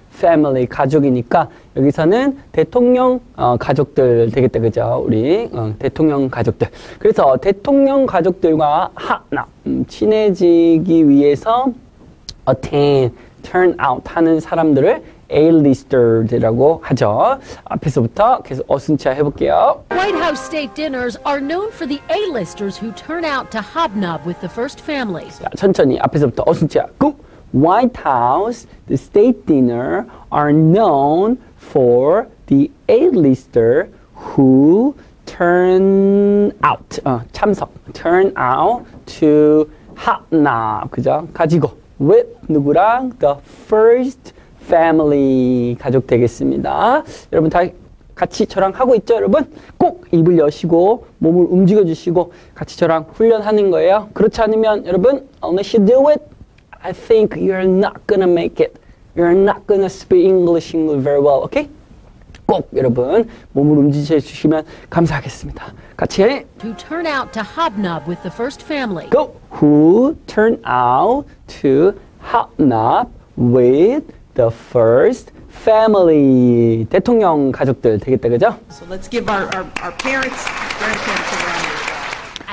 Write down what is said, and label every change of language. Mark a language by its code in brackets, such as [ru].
[ko] family, 가족이니까 여기서는 대통령 가족들 되겠다, 그죠? 우리 대통령 가족들. 그래서 대통령 가족들과 친해지기 위해서 attend, turn out 하는 사람들을 A-listers라고 하죠. 앞에서부터 계속 어순차 해볼게요. [en] White House state dinners are known for the A-listers who turn out to hobnob with the first family. [ko] 자, 천천히 앞에서부터 어순차. [en] Go. White House the state dinner are known for the A-lister who turn out 참석 turn out to hobnob 그죠? [ko] 가지고 with 누구랑 [en] the first family [ko] 가족 되겠습니다. 여러분 다 같이 저랑 하고 있죠, 여러분? 꼭 입을 여시고 몸을 움직여 주시고 같이 저랑 훈련하는 거예요. 그렇지 않으면 여러분, [en] unless you do it, I think you're not gonna make it. You're not gonna speak English very well, okay? [ko] 꼭 여러분 몸을 움직여 주시면 감사하겠습니다. 같이 해. [en] To turn out to hobnob with the first family. Go. Who turn out to hobnob with the first family [ko] 대통령 가족들 되겠다, 그죠? [en] So let's give our parents grandparents a round.